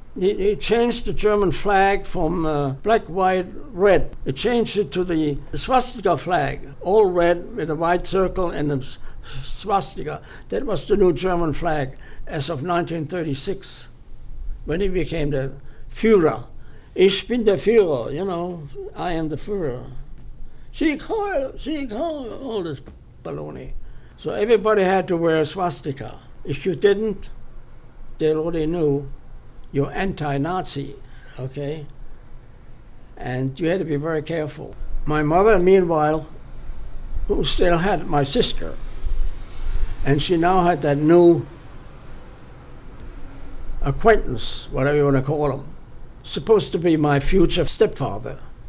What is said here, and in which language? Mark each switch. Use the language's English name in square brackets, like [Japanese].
[English] He changed the German flag from black, white, red. He changed it to the swastika flag, all red with a white circle and a swastika. That was the new German flag as of 1936, when he became the Führer. [German] Ich bin der Führer, [English] you know, I am the Führer. Sieg Heil, all this baloney. So everybody had to wear a swastika. If you didn't, they already knew you're anti-Nazi, okay? And you had to be very careful. My mother, meanwhile, who still had my sister, and she now had that new acquaintance, whatever you want to call him, supposed to be my future stepfather.